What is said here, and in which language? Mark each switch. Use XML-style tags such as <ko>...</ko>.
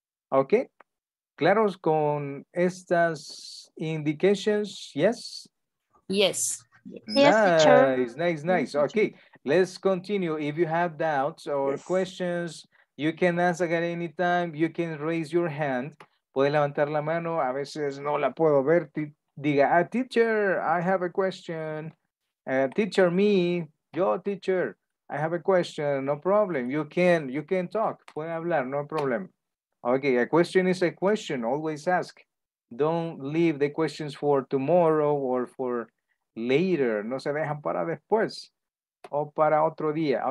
<es>Ok, ¿claros con estas indications? Yes?</es> <en>Yes. Yes, nice, teacher. Nice, nice. Ok, let's continue. If you have doubts or yes. questions, you can ask at any time, you can raise your hand.</en> <es>Puede levantar la mano, a veces no la puedo ver. Diga,</es> <en>teacher, I have a question. Teacher, me, yo, teacher, I have a question. No problem, you can talk.</en> <es>Puede hablar,</es> <en>no problem. Okay, a question is a question, always ask. Don't leave the questions for tomorrow or for later.</en> <es>No se dejan para después o para otro día.</es>